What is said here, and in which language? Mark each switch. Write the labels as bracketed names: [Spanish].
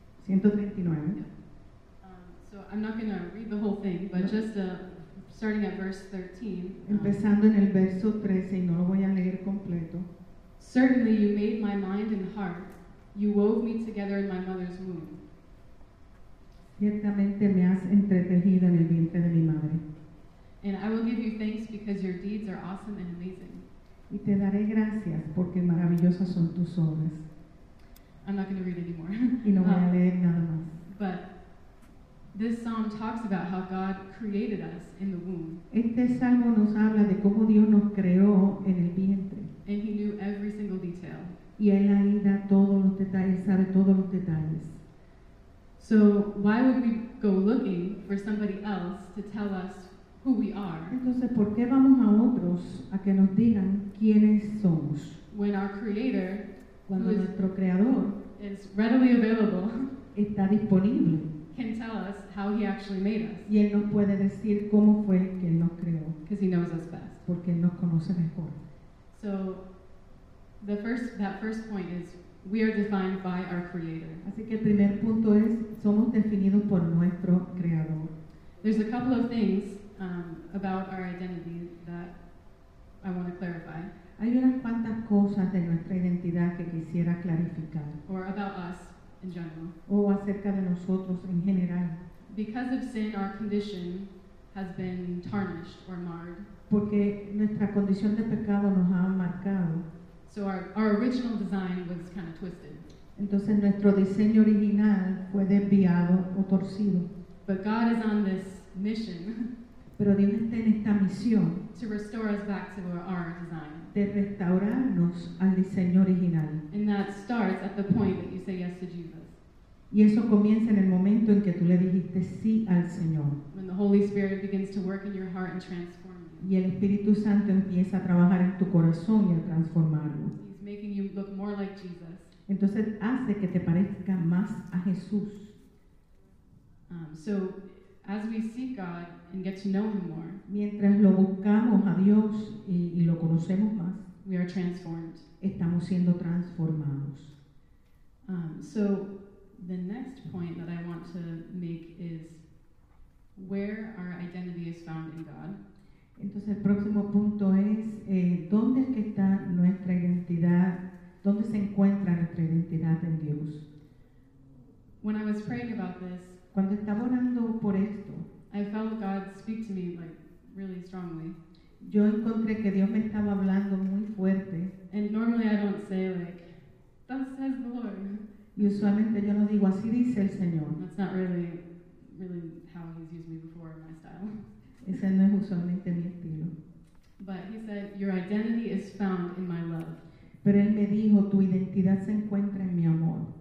[English] So I'm not going to read the whole thing, but just starting at verse 13. [Spanish] Empezando en el verso 13, y no lo voy a leer completo. [English] Certainly you made my mind and heart. You wove me together in my mother's womb. [Spanish] Ciertamente me has entretejido en el vientre de mi madre. [English] And I will give you thanks because your deeds are awesome and amazing. [Spanish] Y te daré gracias porque maravillosas son tus obras. [English] I'm not going to read anymore. [Spanish] Y no voy a leer nada más. [English] But this psalm talks about how God created us in the womb. [Spanish] Este salmo nos habla de cómo Dios nos creó en el vientre. [English] And he knew every single detail. [Spanish] Y él ahí da todos los detalles, sabe todos los detalles. [English] So why would we go looking for somebody else to tell us who we are? [Spanish] Entonces, ¿por qué vamos a otros a que nos digan quiénes somos? [English] When our creator, [Spanish] cuando [English] who [Spanish] nuestro creador [English] is readily available, [Spanish] está disponible, [English] can tell us how he actually made us. [Spanish] Y él nos puede decir cómo fue que él nos creó. [English] Because he knows us best. [Spanish] Porque él nos conoce mejor. [English] So, that first point is we are defined by our creator. [Spanish] Así que el primer punto es somos definidos por nuestro creador. [English] There's a couple of things about our identity that I want to clarify. [Spanish] Hay unas cuantas cosas de nuestra identidad que quisiera clarificar. [English] Or about us in general. [Spanish] O acerca de nosotros en general. [English] Because of sin, our condition has been tarnished or marred. [Spanish] Porque nuestra condición de pecado nos ha marcado. [English] So our original design was kind of twisted. [Spanish] Entonces nuestro diseño original fue desviado o torcido. [English] But God is on this mission. [Spanish] Pero Dios está en esta misión [English] to restore us back to our design. [Spanish] De restaurarnos al diseño original. [English] And that starts at the point that you say yes to Jesus. [Spanish] Y eso comienza en el momento en que tú le dijiste sí al Señor. [English] When the Holy Spirit begins to work in your heart and transform you. [Spanish] Y el Espíritu Santo empieza a trabajar en tu corazón y a transformarlo. [English] He's making you look more like Jesus. [Spanish] Entonces hace que te parezca más a Jesús. [English] So as we seek God and get to know him more, [Spanish] mientras lo buscamos a Dios y lo conocemos más, [English] we are transformed. [Spanish] Estamos siendo transformados. [English] So the next point that I want to make is where our identity is found in God. [Spanish] Entonces el próximo punto es ¿dónde es que está nuestra identidad? ¿Dónde se encuentra nuestra identidad en Dios? [English] When I was praying about this, [Spanish] cuando estaba orando por esto, [English] I felt God speak to me like really strongly. [Spanish] Yo encontré que Dios me estaba hablando muy fuerte. [English] And normally I don't say like, "Thus says the Lord." [Spanish] Y usualmente yo no digo así dice el Señor. [English] That's not really how he's used me before in my style. [Spanish] Ese no es usualmente mi estilo. [English] But he said, "Your identity is found in my love." [Spanish] Pero él me dijo, tu identidad se encuentra en mi amor.